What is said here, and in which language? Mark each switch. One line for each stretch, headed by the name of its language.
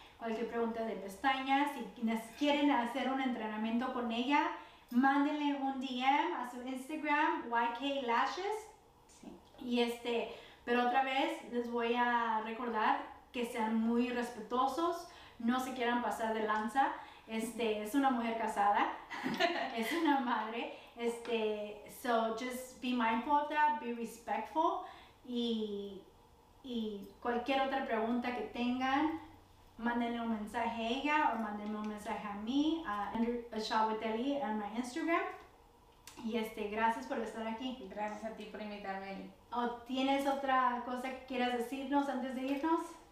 Spanish: Cualquier pregunta de pestañas, si quieren hacer un entrenamiento con ella, mándenle un DM a su Instagram, YK Lashes. Sí. Y pero otra vez les voy a recordar que sean muy respetuosos, no se quieran pasar de lanza. Es una mujer casada, es una madre.
English: So just be mindful of that, be respectful.
Spanish: Y cualquier otra pregunta que tengan, mándenle un mensaje a ella o mándenle un mensaje a mí, a Shawateli en mi Instagram. Y gracias por estar aquí. Gracias a ti por invitarme. ¿Tienes otra cosa que quieras decirnos antes de irnos?